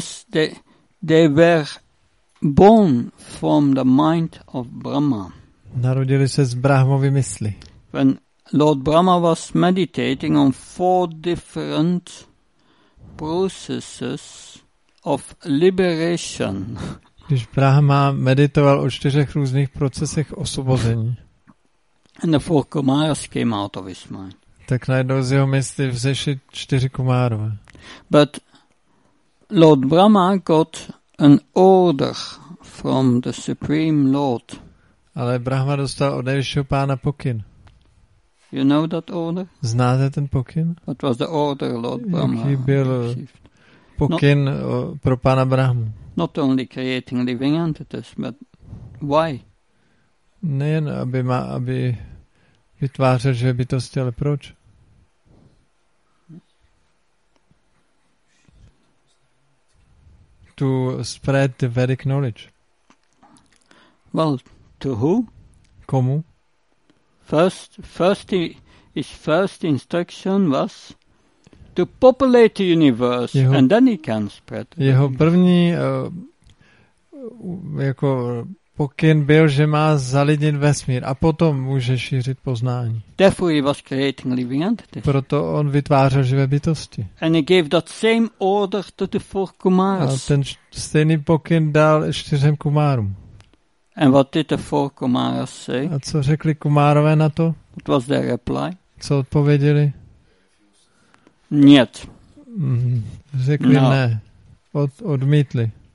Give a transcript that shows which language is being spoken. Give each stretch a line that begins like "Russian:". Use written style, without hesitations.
English: They were born from the mind of Brahma.
Czech: Narodili se z Brahmovy mysli.
English: When Lord Brahma was meditating on 4 different processes of liberation.
Czech: Když Brahma meditoval o čtyřech různých procesech osvobození.
English: And the four kumaras came out of his mind.
Czech: Tak najednou z jeho mysli vzešli čtyři kumárové.
English: But Lord Brahma got an order from the Supreme Lord.
Czech: Ale Brahma dostal od nejvyššího pána pokyn.
English: You know that order?
Czech: Znáte ten pokyn?
English: What was the order Lord Brahma received?
Czech: Jaký byl pokyn pro pána Brahmu?
English: Not only creating living entities, but why?
Czech: Nejen, aby vytvářel živé bytosti, ale proč?
English: To spread the Vedic knowledge. Well, to who?
Czech: Komu?
English: His first instruction was to populate the universe, and then he can spread.
Czech: Jeho první jako pokyn byl, že má zalidnit vesmír a potom může šířit poznání.
English: Therefore he was creating living entities.
Czech: Proto on vytvářel živé bytosti.
English: And he gave that same order to the four kumaras.
Czech: A ten stejný pokyn dal čtyřem kumárům.
English: And what did the four kumaras say?
Czech: A co řekli kumárové na to?
English: What was their reply?
Czech: Co odpověděli?
Russian: Nět.
Czech: Řekli no. Ne. Odmítli.